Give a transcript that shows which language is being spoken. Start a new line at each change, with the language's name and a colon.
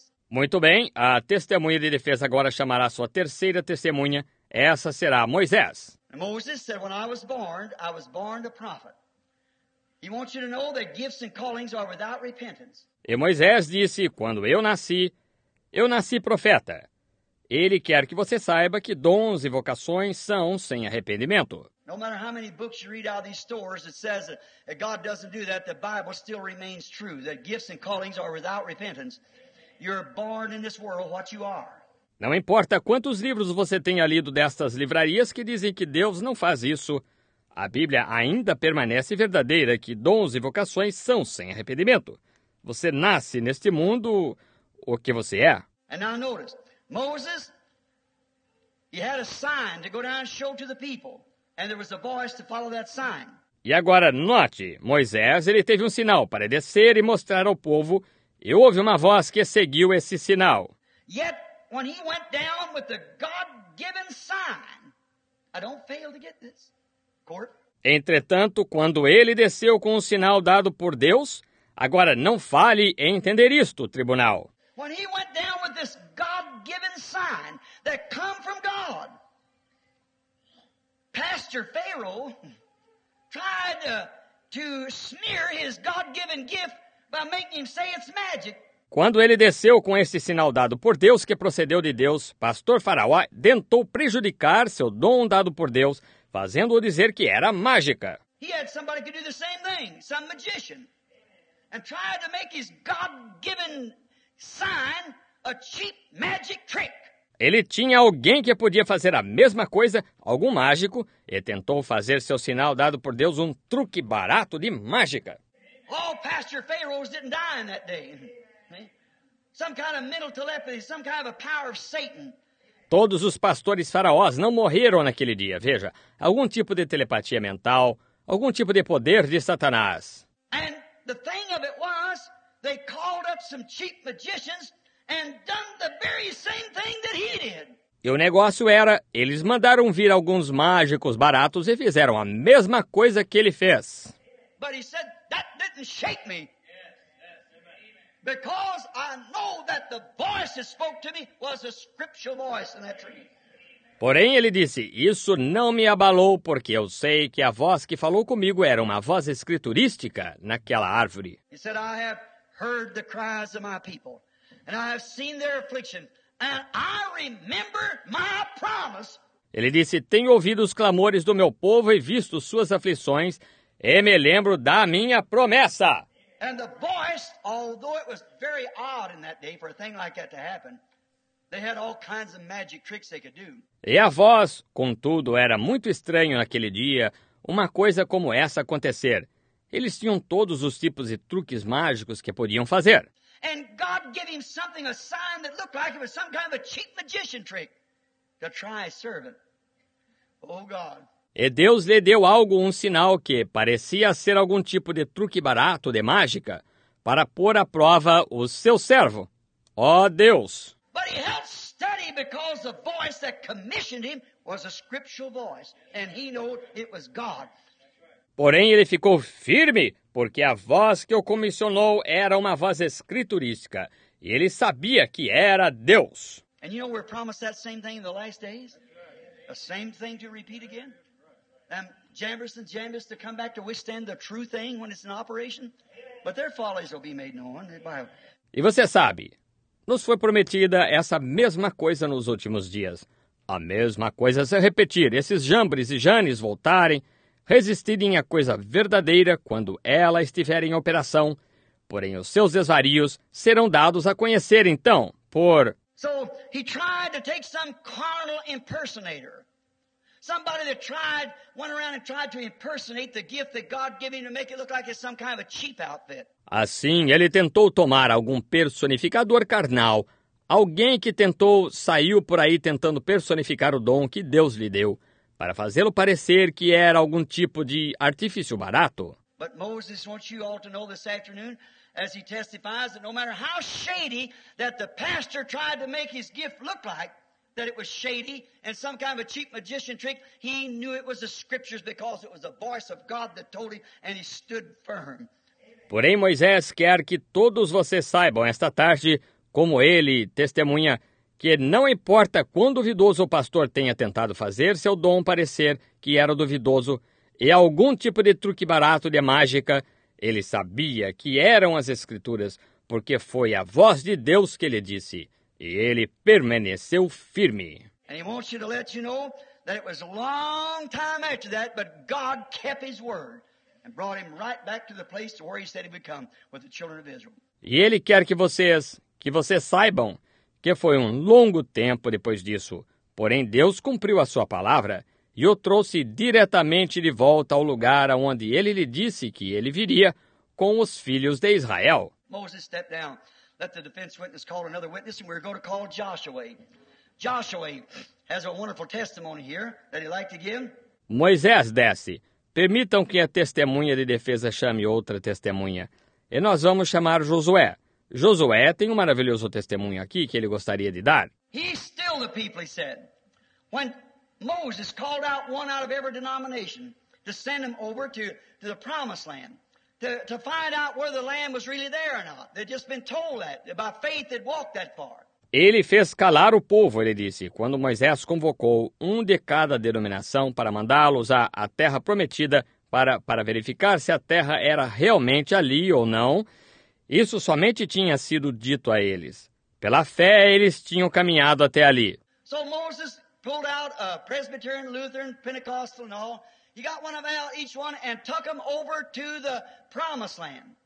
Portuguese: Muito bem, a testemunha de defesa agora chamará sua terceira testemunha, essa será Moisés.
English: Moses said, when I was born a prophet. He wants you to know that gifts and callings are without repentance.
Portuguese: E Moisés disse, quando eu nasci profeta. Ele quer que você saiba que dons e vocações são sem arrependimento.
English: No matter how many books you read out of these stores, it says that God doesn't do that, the Bible still remains true, that gifts and callings are without repentance. You're born in this world what you are.
Portuguese: Não importa quantos livros você tenha lido destas livrarias que dizem que Deus não faz isso, A Bíblia ainda permanece verdadeira que dons e vocações são sem arrependimento. Você nasce neste mundo o que você é.
English: And now notice, Moses, he had a sign to go down and show to the people, and there was a voice to follow that sign.
Portuguese: E agora note, Moisés, ele teve um sinal para descer e mostrar ao povo, e houve uma voz que seguiu esse sinal.
English: Yet, when he went down with the God-given sign, I don't fail to get this.
Portuguese: Entretanto, quando ele desceu com o sinal dado por Deus, agora não fale em entender isto, tribunal.
English: When he went down with this God-given sign that come from God, Pastor Pharaoh tried to smear his God-given gift by making him say it's magic.
Portuguese: Quando ele desceu com esse sinal dado por Deus, que procedeu de Deus, Pastor Faraó tentou prejudicar seu dom dado por Deus, fazendo-o dizer que era mágica.
English: He had somebody could do the same thing, some magician, and try to make his God-given sign a cheap magic trick.
Portuguese: Ele tinha alguém que podia fazer a mesma coisa, algum mágico, e tentou fazer seu sinal dado por Deus um truque barato de mágica.
English: All Pastor Pharaohs didn't die in that day. Some kind of mental telepathy, some kind of a power of Satan.
Portuguese: Todos os pastores faraós não morreram naquele dia, veja. Algum tipo de telepatia mental, algum tipo de poder de Satanás.
English: And the thing of it was, they called up some cheap magicians and done the very same thing that he did.
Portuguese: E o negócio era, eles mandaram vir alguns mágicos baratos e fizeram a mesma coisa que ele fez.
English: But he said, that didn't shake me. Because I know that the voice that spoke to me was a scriptural voice in that tree.
Portuguese: Porém, ele disse, isso não me abalou, porque eu sei que a voz que falou comigo era uma voz escriturística naquela árvore.
English: He said, I have heard the cries of my people, and I have seen their affliction, and I remember my promise.
Portuguese: Ele disse, tenho ouvido os clamores do meu povo e visto suas aflições, e me lembro da minha promessa.
English: And the voice, although it was very odd in that day for a thing like that to happen, they had all kinds of magic tricks they could do.
Portuguese: E a voz, contudo, era muito estranho naquele dia, uma coisa como essa acontecer. Eles tinham todos os tipos de truques mágicos que podiam fazer.
English: And God gave him something, a sign that looked like it was some kind of a cheap magician trick to try servant. Oh God.
Portuguese: E Deus lhe deu algo, um sinal que parecia ser algum tipo de truque barato, de mágica, para pôr à prova o seu servo. Ó Deus!
English: But he held steady because the voice that commissioned him was a scriptural voice, and he knew it was God.
Portuguese: Porém, ele ficou firme, porque a voz que o comissionou era uma voz escriturística, e ele sabia que era Deus.
English: And you know we're promised that same thing in the last days? The same thing to repeat again? Jambres to come back to withstand the true thing when it's in operation, but their follies will be made known.
Portuguese: E você sabe, nos foi prometida essa mesma coisa nos últimos dias. A mesma coisa se repetir, esses Jambres e Janes voltarem, resistirem à coisa verdadeira quando ela estiver em operação, porém os seus desvarios serão dados a conhecer então por...
English: So, he tried to take some carnal impersonator. Somebody that tried, went around and tried to impersonate the gift that God gave him to make it look like it's some kind of a cheap outfit.
Portuguese: Assim, ele tentou tomar algum personificador carnal, alguém que tentou, saiu por aí tentando personificar o dom que Deus lhe deu, para fazê-lo parecer que era algum tipo de artifício barato.
English: But Moses wants you all to know this afternoon, as he testifies, that no matter how shady that the pastor tried to make his gift look like, that it was shady and some kind of a cheap magician trick, he knew it was the scriptures because it was the voice of God that told him and he stood firm.
Portuguese: Porém, Moisés quer que todos vocês saibam esta tarde, como ele testemunha, que não importa quão duvidoso o pastor tenha tentado fazer seu dom parecer que era duvidoso e algum tipo de truque barato de mágica, ele sabia que eram as escrituras, porque foi a voz de Deus que lhe disse. E ele permaneceu firme.
English: And he wants you to let you know that it was a long time after that, but God kept his word and brought him right back to the place where he said he would come with the children of Israel.
Portuguese: E ele quer que vocês saibam que foi um longo tempo depois disso. Porém, Deus cumpriu a sua palavra e o trouxe diretamente de volta ao lugar onde ele lhe disse que ele viria com os filhos de Israel.
English: Moses stepped down, let the defense witness call another witness, and we're going to call Joshua. Joshua has a wonderful testimony here that he'd like to give.
Portuguese: Moisés desce. Permitam que a testemunha de defesa chame outra testemunha. E nós vamos chamar Josué. Josué tem um maravilhoso testemunho aqui que ele gostaria de dar.
English: He stilled the people, he said. When Moses called out one out of every denomination to send him over to the promised land, to find out whether the land was really there or not. They'd just been told that by faith they'd walked that far.
Portuguese: Ele fez calar o povo, ele disse, quando Moisés convocou um de cada denominação para mandá-los à terra prometida para verificar se a terra era realmente ali ou não. Isso somente tinha sido dito a eles. Pela fé, eles tinham caminhado até ali.
English: So Moses pulled out a Presbyterian, Lutheran, Pentecostal and all. He got one of each one and took them over to the promised land.